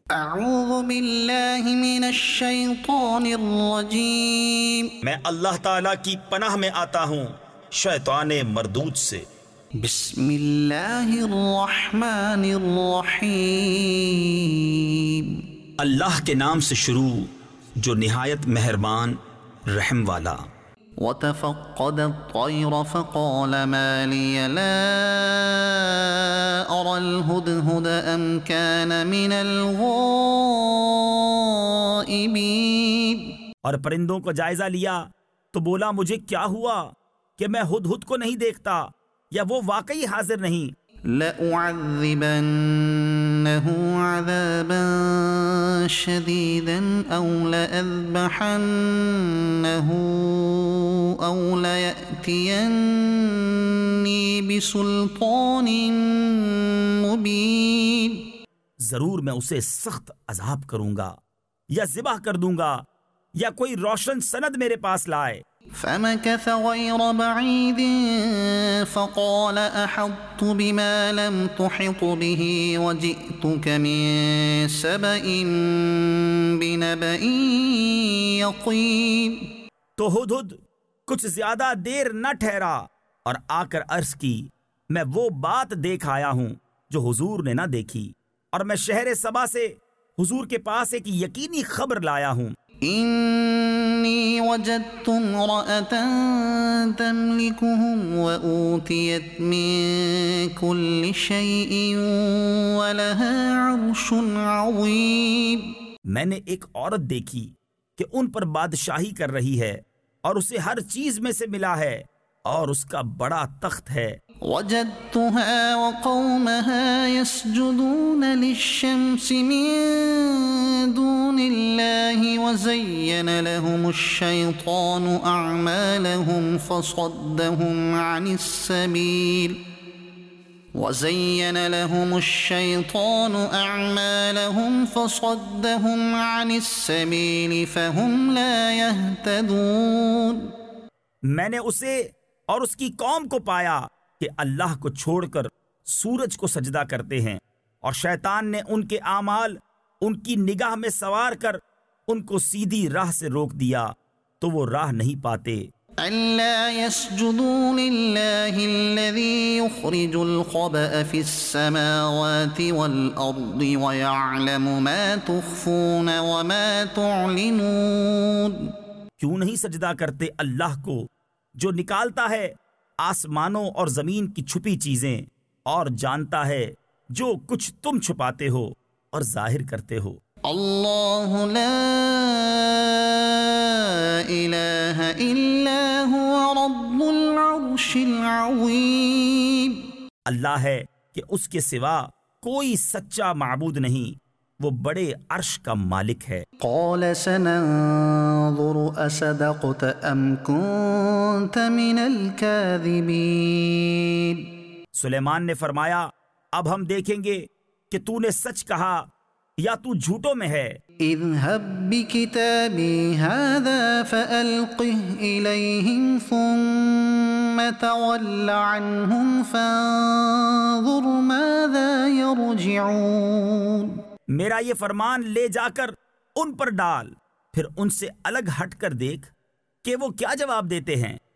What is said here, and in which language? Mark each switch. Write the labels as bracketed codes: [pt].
[ar] أعوذ بالله من الشيطان الرجيم [ur] میں اللہ تعالیٰ کی پناہ میں آتا ہوں شیطان مردود سے [ar] بسم اللہ الرحمن الرحیم [ur] اللہ کے نام سے شروع جو نہایت مہربان رحم والا [ar] وتفقد الطير فقال ما لي لا أرى الهدهد أم كان من الغائبين [ur] اور پرندوں کو جائزہ لیا تو بولا مجھے کیا ہوا کہ میں ہدہد کو نہیں دیکھتا یا وہ واقعی حاضر نہیں [ar] لَأُعَذِّبَنَّهُ عَذَابًا شَدِيدًا أَوْ لَأَذْبَحَنَّهُ أَوْ لَيَأْتِيَنِّي بِسُلْطَانٍ مُبِينٍ [ur] ضرور میں اسے سخت عذاب کروں گا یا ذبح کر دوں گا یا کوئی روشن سند میرے پاس لائے [ar] فَمَكَثَ غَيْرَ بَعِيدٍ فَقَالَ أَحَطْتُ بِمَا لَمْ تُحِطْ بِهِ وَجِئْتُكَ مِنْ سَبَإٍ بِنَبَإٍ يَقِينٍ [ur] تو ہدہد کچھ زیادہ دیر نہ ٹھہرا اور آ کر عرض کی میں وہ بات دیکھ آیا ہوں جو حضور نے نہ دیکھی اور میں شہر سبا سے حضور کے پاس ایک یقینی خبر لایا ہوں [ar] إني وجدت امرأة تملكهم وأوتيت من كل شيء ولها عرش عظيم [ur] میں نے ایک عورت دیکھی کہ ان پر بادشاہی کر رہی ہے اور اسے ہر چیز میں سے ملا ہے اور اس کا بڑا تخت ہے [ar] وجدتها وقومها يسجدون للشمس من دون الله وزين لهم الشيطان أعمالهم فصدهم عن السبيل وزين لهم الشيطان أعمالهم فصدهم عن السبيل فهم لا يهتدون [ur] میں نے اسے اور اس کی قوم کو پایا کہ اللہ کو چھوڑ کر سورج کو سجدہ کرتے ہیں اور شیطان نے ان کے اعمال ان کی نگاہ میں سوار کر ان کو سیدھی راہ سے روک دیا تو وہ راہ نہیں پاتے [ar] اَلَّا يَسْجُدُوا لِلَّهِ الَّذِي يُخْرِجُ الْخَبَأَ فِي السَّمَاوَاتِ وَالْأَرْضِ وَيَعْلَمُ مَا تُخْفُونَ وَمَا تُعْلِنُونَ [ur] کیوں نہیں سجدہ کرتے اللہ کو جو نکالتا ہے آسمانوں اور زمین کی چھپی چیزیں اور جانتا ہے جو کچھ تم چھپاتے ہو اور ظاہر کرتے ہو [ar] اللہ لا الہ الا ہوا رب العرش العرش العظیم، [ur] اللہ ہے کہ اس کے سوا کوئی سچا معبود نہیں، وہ بڑے عرش کا مالک ہے. [ar] قال سننظر اصدقت ام كنت من الكاذبین، [ur] سلیمان نے فرمایا اب ہم دیکھیں گے کہ تو نے سچ کہا یا تو جھوٹوں میں ہے. [ar] اذهب بكتابي هذا فألقه إليهم ثم تول عنهم فانظر ماذا يرجعون، [ur] میرا یہ فرمان لے جا کر ان پر ڈال، پھر ان سے الگ ہٹ کر دیکھ کہ وہ کیا جواب دیتے ہیں.